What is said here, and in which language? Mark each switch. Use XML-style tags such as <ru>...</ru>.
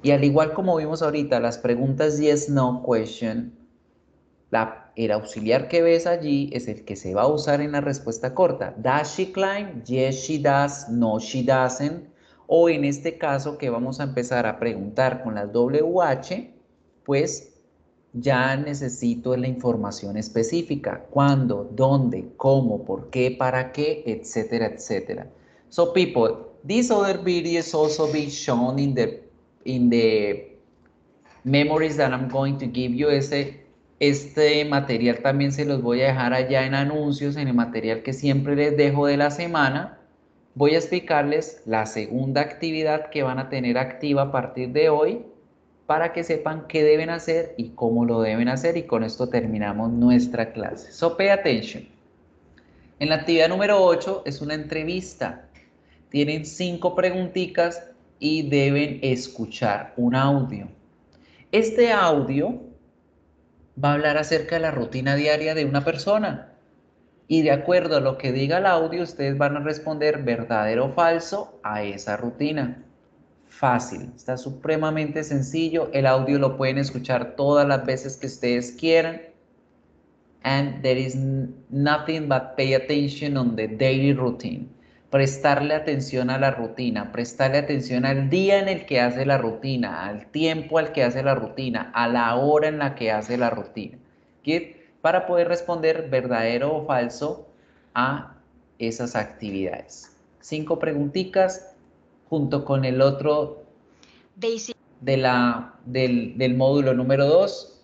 <es>Y al igual como vimos ahorita, las preguntas</es> <en>yes, no, question,</en> <es>el auxiliar que ves allí es el que se va a usar en la respuesta corta.</es> <en>Does she climb? Yes, she does. No, she doesn't.</en> <es>O en este caso que vamos a empezar a preguntar con la WH, pues ya necesito la información específica. ¿Cuándo? ¿Dónde? ¿Cómo? ¿Por qué? ¿Para qué? Etcétera, etcétera.</es> <en>So people, this other video is also being shown in the memories that I'm going to give you.</en> <es>Este material también se los voy a dejar allá en anuncios, en el material que siempre les dejo de la semana. Voy a explicarles la segunda actividad que van a tener activa a partir de hoy para que sepan qué deben hacer y cómo lo deben hacer, y con esto terminamos nuestra clase.</es> <en>So pay attention.</en> <es>En la actividad número 8 es una entrevista. Tienen 5 preguntitas y deben escuchar un audio. Este audio va a hablar acerca de la rutina diaria de una persona. Y de acuerdo a lo que diga el audio, ustedes van a responder verdadero o falso a esa rutina. Fácil, está supremamente sencillo. El audio lo pueden escuchar todas las veces que ustedes quieran.</es> <en>And there is nothing but pay attention on the daily routine.</en> <es>Prestarle atención a la rutina, prestarle atención al día en el que hace la rutina, al tiempo al que hace la rutina, a la hora en la que hace la rutina. ¿Qué? Para poder responder verdadero o falso a esas actividades. Cinco preguntitas junto con el otro del módulo número 2.</es>